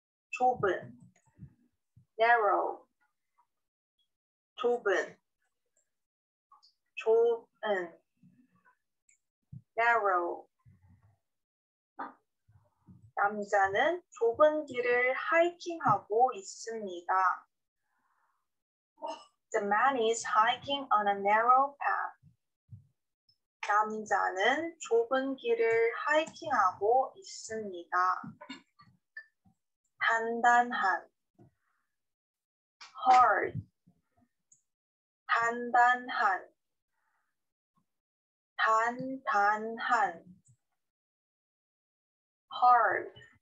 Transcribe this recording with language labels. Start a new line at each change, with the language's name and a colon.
Korean: 좁은, narrow. 좁은, 좁은, narrow. 남자는 좁은 길을 하이킹하고 있습니다.
English: The man is hiking on a narrow path.
Korean: 남자는 좁은 길을 하이킹하고 있습니다. 단단한, hard. 단단한, 단단한, hard.